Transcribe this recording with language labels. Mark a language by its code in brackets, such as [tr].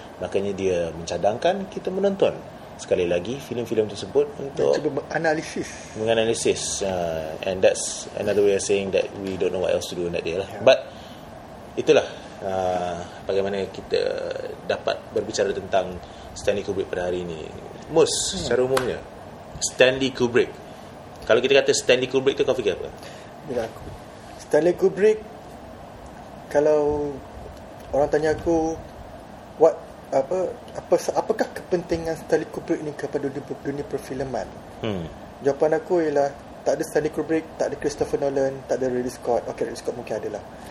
[ms] Makanya dia mencadangkan kita menonton sekali lagi filem-filem tersebut untuk cuba menganalisis. Menganalisis. [en] And that's another way of saying that we don't know what else to do in that day lah. [ms] Yeah. [en] But [ms] itulah bagaimana kita dapat berbicara tentang Stanley Kubrick pada hari ini. Mus, secara umumnya, Stanley Kubrick. Kalau kita kata Stanley Kubrick tu, kau fikir apa? Bila aku, Stanley Kubrick, kalau orang tanya aku apakah kepentingan Stanley Kubrick ni kepada dunia perfilman, jawapan aku ialah tak ada Stanley Kubrick, tak ada Christopher Nolan, tak ada Ridley Scott. Okay, Ridley Scott mungkin ada lah.